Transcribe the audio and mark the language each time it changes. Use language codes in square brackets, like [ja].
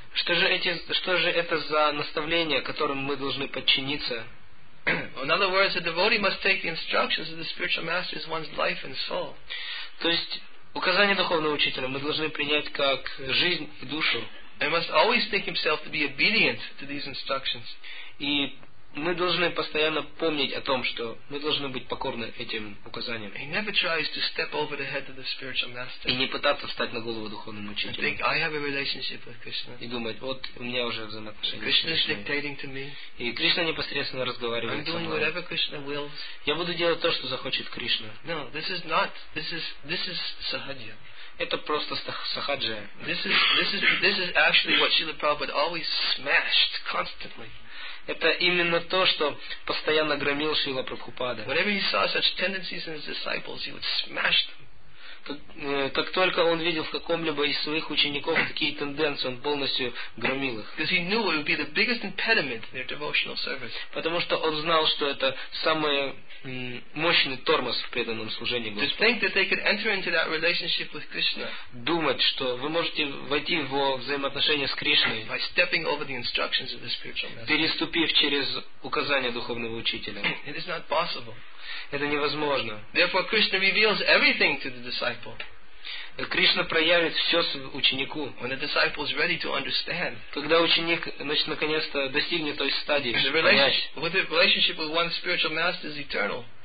[ru] Что же это за наставления, которым мы должны подчиниться? [en] In other words, a devotee must take the instructions of the spiritual master as one's life and soul. [ru] То есть указания духовного учителя мы должны принять как жизнь и душу. [en] And must always think himself to be obedient to these instructions. [ru] И мы должны постоянно помнить о том, что мы должны быть покорны этим указаниям. [en] He never tries to step over the head of the spiritual master. [ru] И не пытаться встать на голову духовному учителю. [en] Think I have a relationship with Krishna. [ru] И думать, вот у меня уже взаимоотношения с Кришной. [en] Krishna is dictating to me. [ru] И Кришна непосредственно разговаривает со мной. [en] I'm doing whatever Krishna wills. [ru] Я буду делать то, что захочет Кришна. [en] No, this is sahajya. [ru] Это просто сахаджа. [en] This is actually what Srila Prabhupada always smashed constantly. [ru] Это именно то, что постоянно громил Шрила Прабхупада. [en] Whenever he saw such tendencies in his disciples, he would smash them. [ru] Как только он видел в каком-либо из своих учеников такие тенденции, он полностью громил их. [en] Because he knew it would be the biggest impediment in their devotional service. [ru] Потому что он знал, что это самый мощный тормоз в преданном служении Господу. [en] To think that they could enter into that relationship with Krishna. [ru] Думать, что вы можете войти в взаимоотношения с Кришной. [en] By stepping over the instructions of the spiritual master. [ru] Переступив через указания духовного учителя. [en] It is not possible. [ru] Это невозможно. [en] Therefore, Krishna reveals everything to the disciple. [ru] Кришна проявит все ученику. [en] When the disciple is ready to understand. [ru] Когда ученик, значит, наконец-то достигнет той стадии, [en] with the relationship with one spiritual master is eternal.